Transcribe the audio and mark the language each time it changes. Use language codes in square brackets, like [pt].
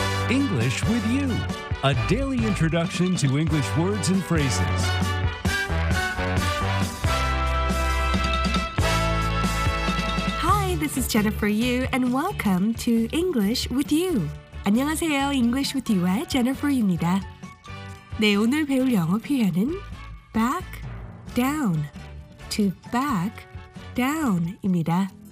[en] English with you, a daily introduction to English words and phrases. [ko] 안녕하세요, [en] and welcome to English with you. [ko] 안녕하세요, English with you와 Jennifer입니다. 네, 오늘 배울 영어 표현은 back down, to back down입니다.